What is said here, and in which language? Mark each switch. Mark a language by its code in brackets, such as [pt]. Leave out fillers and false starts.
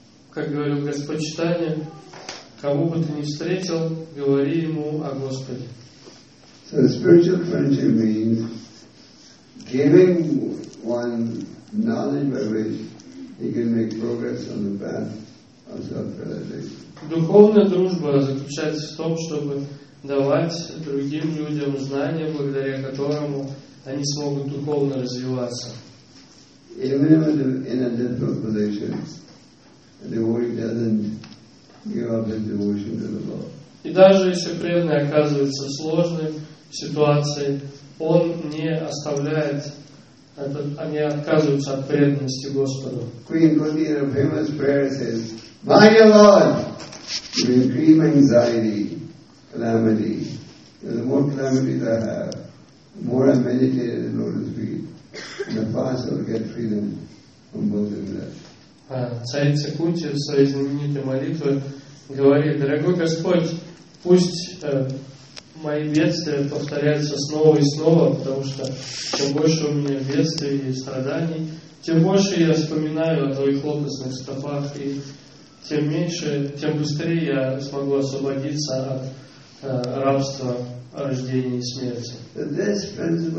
[ru] Как говорил Господь Читания, кого бы ты ни встретил, говори ему о Господе. [en] So spiritual friendship means giving one knowledge by which he can make progress on the path of self-realization. [ru] Духовная дружба заключается в том, чтобы давать другим людям знания, благодаря которому они смогут духовно развиваться. [en] Even if in a difficult position, a devotee doesn't give up his devotion to the Lord. [ru] И даже если преданный оказывается в сложной ситуации, он не оставляет, они отказываются от преданности Господу. [en] Queen Kunti, in her famous prayer, says, "My dear Lord, you increase my anxiety, calamity. The more calamities I have, the more I meditate at the Lord's feet, and the faster I will get freedom from both of them." [ru] Царица Кунти в своей знаменитой молитве говорит: «Дорогой Господь, пусть мои бедствия повторяются снова и снова, потому что чем больше у меня бедствий и страданий, тем больше я вспоминаю о твоих лотосных стопах, и тем меньше, тем быстрее я смогу освободиться от рабства рождения и смерти».